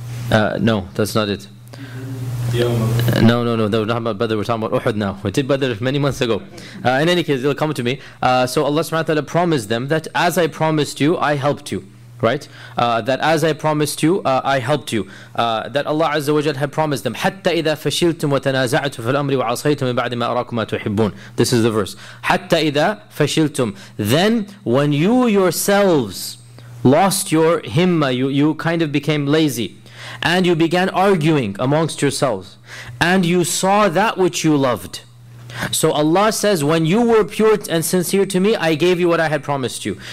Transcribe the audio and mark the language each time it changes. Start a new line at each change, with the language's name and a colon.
English: No, that's not it. No, that was not about Badr, we're talking about Uhud now. We did Badr many months ago. In any case, it'll come to me. So Allah subhanahu wa ta'ala promised them that as I promised you, I helped you. Right? That as I promised you, I helped you. That Allah Azza wa Jal had promised them.
Arabic: حتى إذا فشلتم وتنازعتم في الأمر وعصيتم من بعد ما أراكم ما تحبون.
English: This is the verse.
Arabic: حتى إذا فشلتم.
English: Then when you yourselves lost your himma, you kind of became lazy. And you began arguing amongst yourselves. And you saw that which you loved. So Allah says, when you were pure and sincere to me, I gave you what I had promised you.